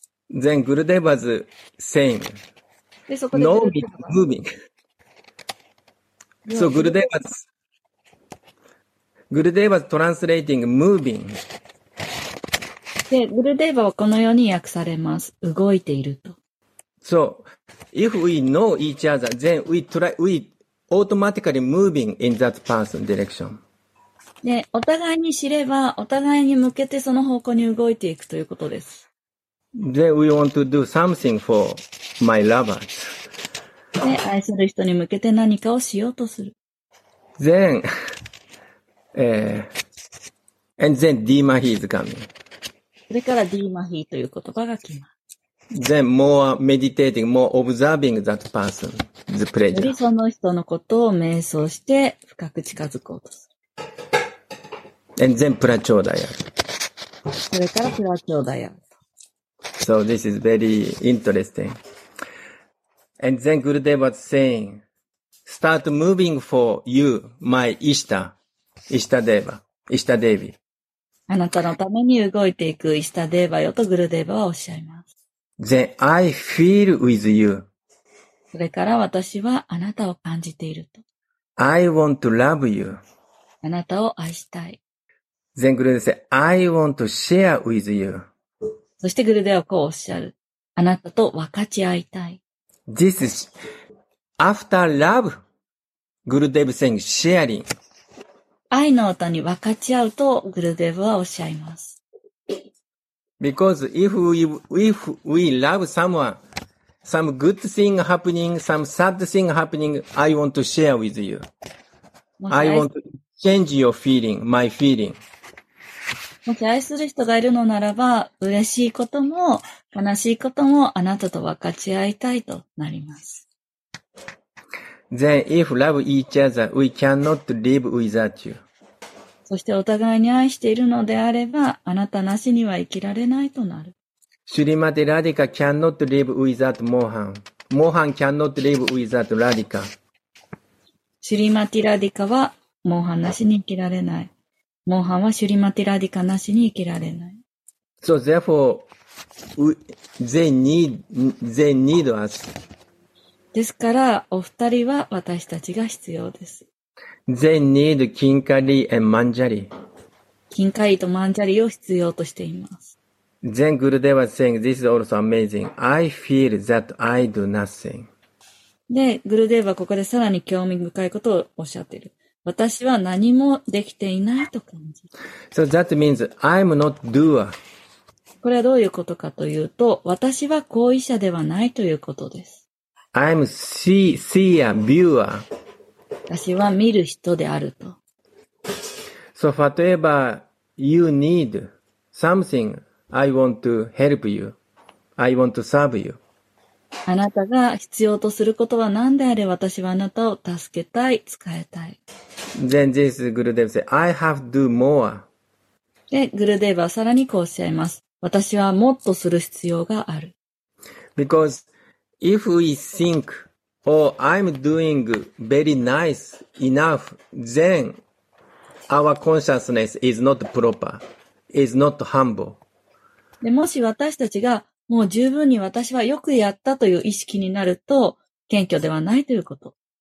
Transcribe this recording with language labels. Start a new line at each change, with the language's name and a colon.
English: Then Gurudeva's saying, no means moving. So Gurudeva's translating moving.
Japanese: で、グルデーヴァはこのように訳されます。動いていると。
English: So if we know each other, then we automatically moving in that person direction.
Japanese: で、お互いに知れば、お互いに向けてその方向に動いていくということです。
English: で、we want to do something for my lovers.
Japanese: で、愛する人に向けて何かをしようとする。
English: Then, and then Dimahi is coming.
Japanese: それから Dimahi という言葉が来ます。
English: Then, more meditating, more observing that person, the pleasure.
Japanese: よりその人のことを瞑想して深く近づこうとする。
English: And then プラチョーダヤ。
Japanese: それからプラチョーダヤ。
English: So this is very interesting. And then Gurudev was saying, start moving for you, my Ishta, Ishtadeva, Ishtadevi.
Japanese: あなたのために動いていくイシタデーヴァよとグルデーヴァはおっしゃいます。
English: Then I feel with you.
Japanese: それから私はあなたを感じていると。
English: I want to love you.
Japanese: あなたを愛したい。
English: Then Gurudev said, I want to share with you.
Japanese: そしてグルデーヴァはこうおっしゃる。あなたと分かち合いたい。
English: This is after love, Gurudev saying sharing.
Japanese: 愛の歌に分かち合うとグルデーヴァはおっしゃいます。
English: Because if we love someone, some good thing happening, some sad thing happening, I want to share with you. I want to change your feeling, my feeling.
Japanese: もし愛する人がいるのならば、嬉しいことも悲しいこともあなたと分かち合いたいとなります。
English: Then if love each other, we cannot live without you.
Japanese: そしてお互いに愛しているのであれば、あなたなしには生きられないとなる。
English: Srimati Radhika cannot live without Mohan. Mohan cannot live without Radhika.
Japanese: Srimati Radhika は Mohan なしに生きられない。モーハンはシュリマティラディカなしに生きられない。
English: So therefore, they need us.
Japanese: ですから、お二人は私たちが必要です。
English: They need Kinkari and Manjari.
Japanese: Kinkari とマンジャリを必要としています。
English: Then Gurudeva was saying, this is also amazing. I feel that I do nothing.
Japanese: で、グルデーヴァはここでさらに興味深いことをおっしゃっている。私は何もできていないと感じる。
English: So that means I'm not doer.
Japanese: これはどういうことかというと、私は行為者ではないということです。
English: I'm seer, viewer.
Japanese: 私は見る人であると。
English: So whatever you need, something I want to help you. I want to serve you.
Japanese: あなたが必要とすることは何であれ私はあなたを助けたい、使いたい。
English: Then this Gurudev said, I have to do more.
Japanese: で、グルデーヴァはさらにこうおっしゃいます。私はもっとする必要がある。
English: Because if we think, oh, I'm doing very nice enough, then our consciousness is not proper, is not humble.
Japanese: で、もし私たちがもう十分に私はよくやったという意識になると、謙虚ではないということ。